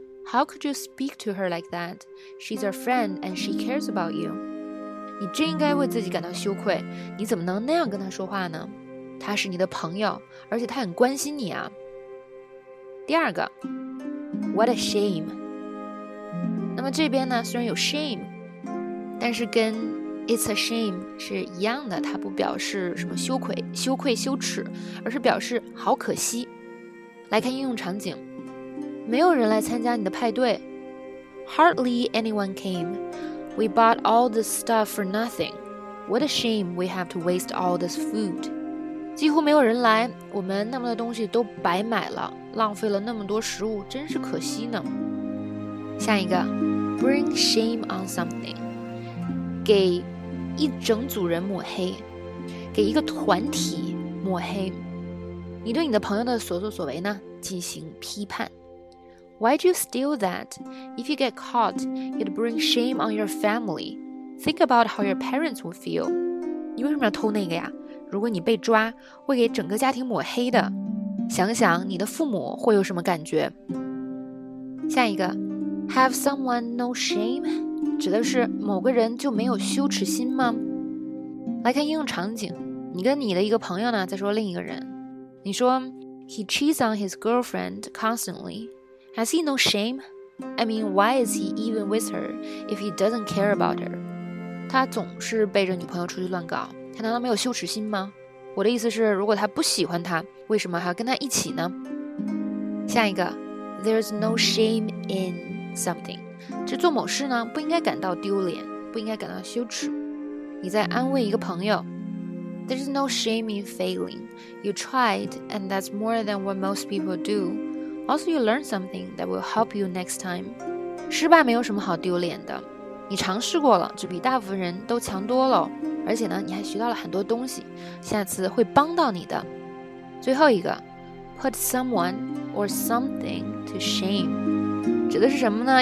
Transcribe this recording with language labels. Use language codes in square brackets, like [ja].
[en] How could you speak to her like that? She's a friend and she cares about you." [zh] 你真应该为自己感到羞愧，你怎么能那样跟她说话呢？她是你的朋友，而且她很关心你啊。第二个。 [en] What a shame！ [zh] 那么这边呢，虽然有 shame， 但是跟 [en] it's a shame [zh] 是一样的，它不表示什么羞愧、羞愧、羞耻，而是表示好可惜。来看应用场景，没有人来参加你的派对 ， [en] Hardly anyone came. We bought all this stuff for nothing. What a shame we have to waste all this food. [zh] 几乎没有人来，我们那么多东西都白买了。浪费了那么多食物，真是可惜呢。下一个 ， [en] bring shame on something， [zh] 给一整组人抹黑，给一个团体抹黑。你对你的朋友的所作所为呢，进行批判。 [en] Why'd you steal that? If you get caught, it'd bring shame on your family. Think about how your parents would feel. [zh] 你为什么要偷那个呀？如果你被抓，会给整个家庭抹黑的。想想你的父母会有什么感觉？下一个 ， [en] Have someone no shame， [zh] 指的是某个人就没有羞耻心吗？来看应用场景，你跟你的一个朋友呢在说另一个人，你说 ， [en] He cheats on his girlfriend constantly. Has he no shame? I mean, why is he even with her if he doesn't care about her? [zh] 他总是背着女朋友出去乱搞，他难道没有羞耻心吗？我的意思是，如果他不喜欢他，为什么还要跟他一起呢？下一个 ， [en] There's no shame in something， [zh] 这做某事呢，不应该感到丢脸，不应该感到羞耻。你在安慰一个朋友 [en] ，There's no shame in failing. You tried, and that's more than what most people do. Also, you learn something that will help you next time. [zh] 失败没有什么好丢脸的，你尝试过了，这比大部分人都强多了。而且呢，你还学到了很多东西，下次会帮到你的。最后一个 ， [en] put someone or something to shame， [zh] 指的是什么呢？